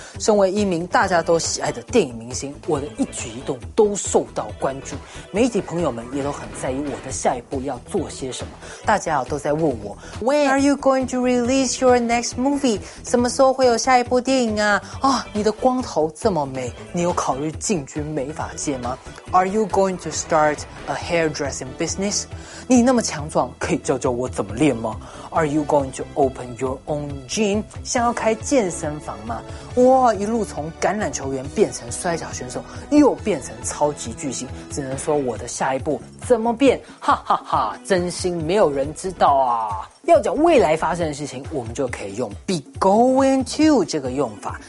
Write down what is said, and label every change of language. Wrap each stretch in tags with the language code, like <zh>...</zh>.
<zh>身为一名大家都喜爱的电影明星，我的一举一动都受到关注，媒体朋友们也都很在意我的下一步要做些什么。大家都在问我</zh> <en>When are you going to release your next movie?</en> <zh>什么时候会有下一部电影啊？啊，你的光头这么美，你有考虑进军美发界吗？</zh> <en>Are you going to start a hairdressing business?</en> <zh>你那么强壮，可以教教我怎么练吗？</zh> <en>Are you going to open your own gym?</en> <zh>想要开健身房吗？哇，一路从橄榄球员变成摔跤选手，又变成超级巨星，只能说我的下一步怎么变？哈哈哈，真心没有人知道啊。要讲未来发生的事情，我们就可以用 be going to 这个用法。</zh>